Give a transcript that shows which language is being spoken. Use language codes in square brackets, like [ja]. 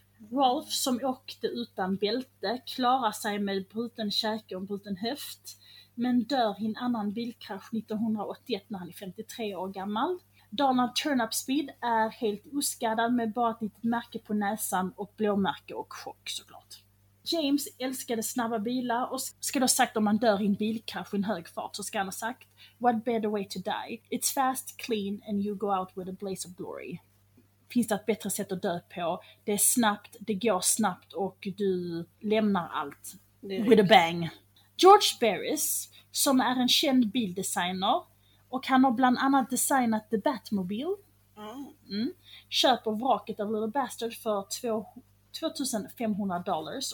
[sv] Rolf, som åkte utan bälte, klarar sig med bruten käke och bruten höft, men dör i en annan bilkrasch 1981 när han är 53 år gammal. Donald Turnup Speed är helt oskadad med bara ett litet märke på näsan och blåmärke och chock, såklart. James älskade snabba bilar och ska då sagt, om man dör i en bilkrasch i en hög fart, så ska han ha sagt: [en] "What better way to die? It's fast, clean and you go out with a blaze of glory." [sv] Finns det ett bättre sätt att dö på? Det är snabbt, det går snabbt och du lämnar allt [en] with a bang. [sv] George Barris, som är en känd bildesigner Och han har bland annat designat The Batmobile. Mm. Köper vraket av Little Bastard för $2,500.